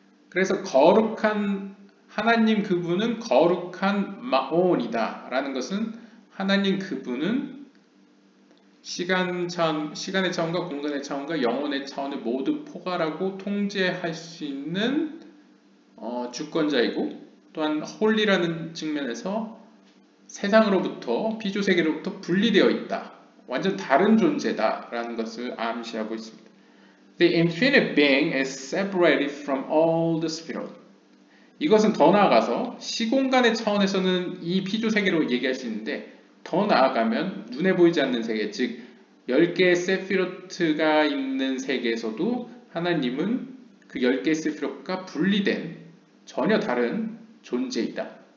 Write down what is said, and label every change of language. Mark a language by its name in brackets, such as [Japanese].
[Korean] 그래서 거룩한 하나님 그분은 거룩한 마온이다 라는 것은 하나님 그분은 시간의 차원과 공간의 차원과 영혼의 차원을 모두 포괄하고 통제할 수 있는 주권자이고 또한 홀리라는 측면에서 세상으로부터 피조세계로부터 분리되어 있다. 완전 다른 존재다 라는 것을 암시하고 있습니다. [English] The infinite being is separated from all the spheres. [Korean] 이것은 더 나아가서 시공간의 차원에서는 이 피조세계로 얘기할 수 있는데 더 나아가면 눈에 보이지 않는 세계, 즉 10개의 세피로트가 있는 세계에서도 하나님은 그 10개의 세피로트가 분리된 전혀 다른 존재이다.